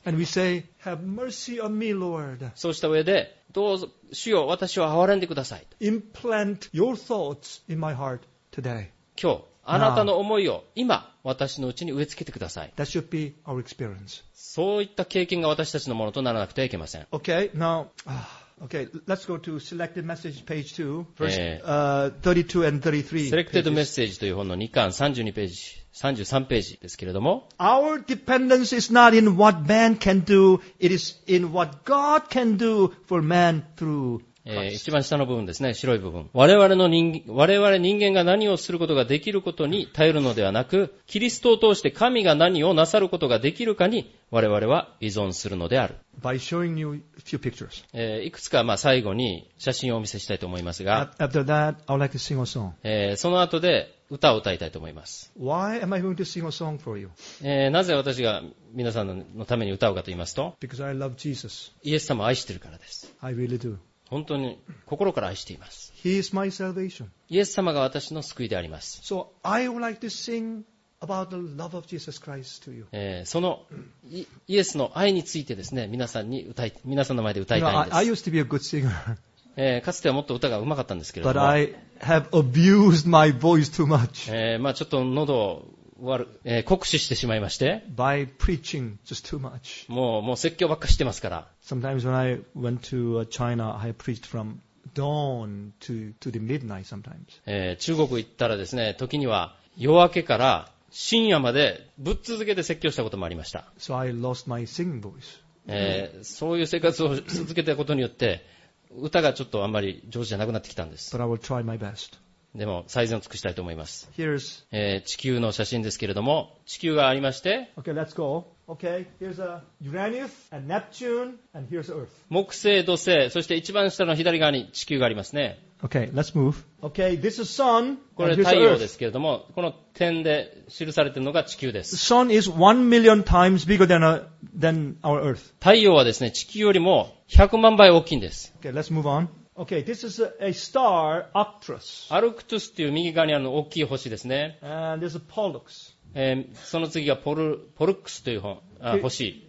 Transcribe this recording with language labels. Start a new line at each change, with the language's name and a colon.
English: And we say, have mercy on me, Lord.
Japanese: そうした上で、どうぞ主よ、私を憐れんでください。
English: Implant your thoughts in my heart today.
Japanese: 今日、あなたの思いを今、私のうちに植え付けてください。
English: That should be our experience.
Japanese: そういった経験が私たちのものとならなくてはいけません。
English: Okay, now, Okay, let's go to Selected Message, page 2, verse 32 and 33.
Japanese: Selected Message という本の2巻32ページ、33ページですけれども。
English: Our dependence is not in what man can do, it is in what God can do for man through Christ.
Japanese: 一番下の部分ですね、白い部分。我々人間が何をすることができることに頼るのではなく、キリストを通して神が何をなさることができるかに我々は依存するのである。
English: By showing you a few pictures.
Japanese: いくつか、まあ、最後に写真をお見せしたいと思いますが、
English: After that, I would like to sing a song.
Japanese: その後で歌を歌いたいと思います。
English: Why am I going to sing a song for you?
Japanese: なぜ私が皆さんのために歌うかと言いますと、
English: Because I love Jesus.
Japanese: イエス様を愛しているからです。
English: I really do.
Japanese: 本当に心から愛しています。
English: He is my salvation.
Japanese: イエス様が私の救いであります。
English: So I would like to singAbout the love of Jesus Christ to you.
Japanese: そのイエスの愛についてですね、皆さんの前で歌いたいんです。
English: You know, I used to be a good singer.
Japanese: かつてはもっと歌が上手かったんですけれども
English: But I have abused my voice too much.
Japanese: まあちょっと喉を酷使してしまいまして。
English: By preaching just too much.
Japanese: もう説教ばっかりしてますから。
English: Sometimes when I went to China, I preached from dawn to the midnight sometimes.
Japanese: 中国行ったらですね、時には夜明けから深夜までぶっ続けて説教したこともありました。
English: So I lost my singing voice.
Japanese: そういう生活を続けたことによって、歌がちょっとあんまり上手じゃなくなってきたんです。
English: But I will try my best.
Japanese: でも最善を尽くしたいと思います。
English: Here's...
Japanese: 地球の写真ですけれども、地球がありまして、
English: Okay, let's go. Okay, here's a Uranus and Neptune and here's Earth.
Japanese: 木星、土星、そして一番下の左側に地球がありますね。
English: Okay, let's move. Okay, this is sun.
Japanese: これ太陽ですけれども、この点で記されているのが地球です。
English: The sun is 1 million times bigger than our Earth.
Japanese: 太陽はですね、地球よりも100万倍大きいんです。
English: Okay, let's move on. Okay, this is a star, Arcturus.
Japanese: アルクトゥスという右側にあるの大きい星ですね。
English: And this is Pollux.
Japanese: その次がポルックスという星。